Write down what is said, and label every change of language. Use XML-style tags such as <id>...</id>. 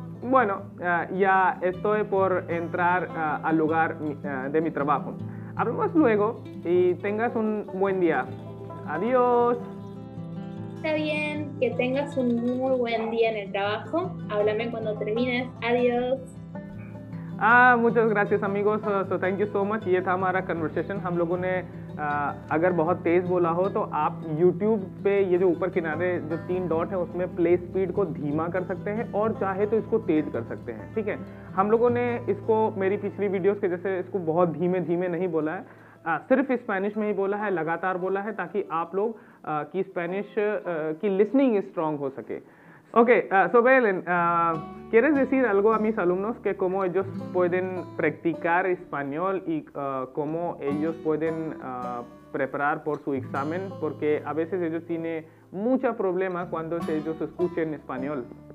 <es>Bueno, ya estoy por entrar al lugar de mi trabajo. Hablamos luego y tengas un buen día. Adiós. Está bien, que tengas un muy buen día en el trabajo. Háblame cuando termines. Adiós. Muchas gracias amigos,</es> <en>so thank you so much.</en> <hi>ये था हमारा conversation. हम लोगों ने अगर बहुत तेज बोला हो तो आप YouTube पे ये जो ऊपर किनारे जो तीन डॉट है उसमें प्ले स्पीड को धीमा कर सकते हैं और चाहे तो इसको तेज कर सकते हैं. ठीक है, हम लोगों ने इसको मेरी पिछली वीडियोस के जैसे इसको बहुत धीमे धीमे नहीं बोला है, सिर्फ स्पेनिश में ही बोला है, लगातार बोला है ताकि आप लोग की स्पेनिश की लिसनिंग स्ट्रांग हो सके.</hi> <es>Ok, Belén, ¿quieres decir algo a mis alumnos que cómo ellos pueden practicar español y cómo ellos pueden preparar por su examen? Porque a veces ellos tienen mucho problema cuando ellos escuchen español.</es>